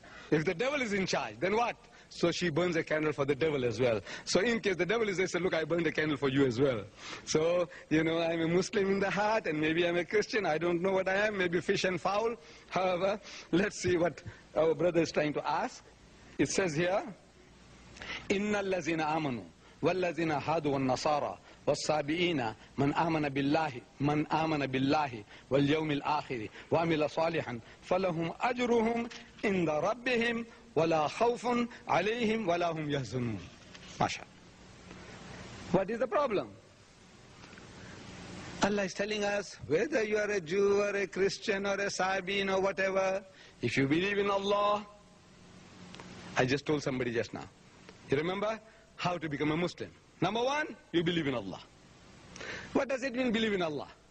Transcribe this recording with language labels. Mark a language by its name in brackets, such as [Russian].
[English] If the devil is in charge, then what? So she burns a candle for the devil as well. So in case the devil is there, say, look, I burned a candle for you as well. So, you know, I'm a Muslim in the heart, and maybe I'm a Christian. I don't know what I am. Maybe fish and fowl. However, let's see what our brother is trying to ask. It says here, [Arabic] إِنَّ الَّذِينَ آمَنُوا وَالَّذِينَ هَادُوا وَالنَّصَارَى والسابعين من آمن بالله من آمن بالله واليوم الآخر وعمل صالحا فلهم أجرهم عند ربهم ولا خوف عليهم ولا هم يحزنون. ما شاء الله. [English] What is the problem? Allah is telling us, whether you are a Jew or a Christian or a Sabine or whatever, if you believe in Allah, I just told somebody just now, you remember how to become a Muslim? Number one, you believe in Allah. What does it mean, believe in Allah?